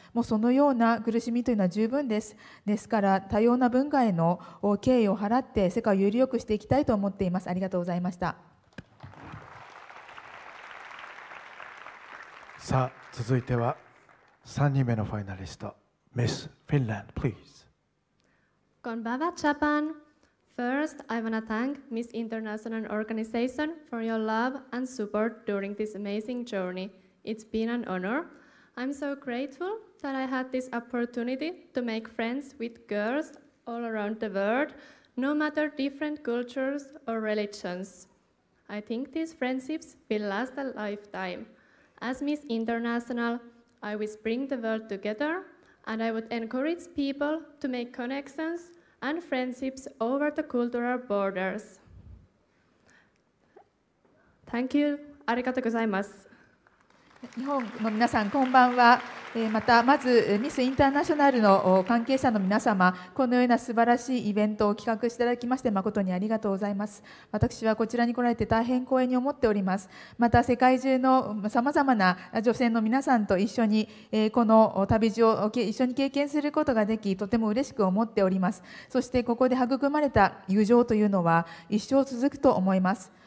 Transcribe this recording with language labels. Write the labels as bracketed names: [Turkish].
[Japanese] もうそのような苦しみというのは十分です。ですから多様な文化への敬意を払って世界をより良くしていきたいと思っています。ありがとうございました。さあ続いては3人目のファイナリスト、ミスフィンランド please。こんばんは、ジャパン。 [English] First, I want to thank Miss International Organization for your love and support during this amazing journey. It's been an honor. I'm so grateful that I had this opportunity to make friends with girls all around the world, no matter different cultures or religions. I think these friendships will last a lifetime. As Miss International, I will bring the world together. And I would encourage people to make connections and friendships over the cultural borders. Thank you. [Japanese] ありがとうございます。日本の皆さん、こんばんは。またまずミスインターナショナルの関係者の皆様、このような素晴らしいイベントを企画していただきまして誠にありがとうございます。私はこちらに来られて大変光栄に思っております。また世界中のさまざまな女性の皆さんと一緒にこの旅路を一緒に経験することができ、とても嬉しく思っております。そしてここで育まれた友情というのは一生続くと思います。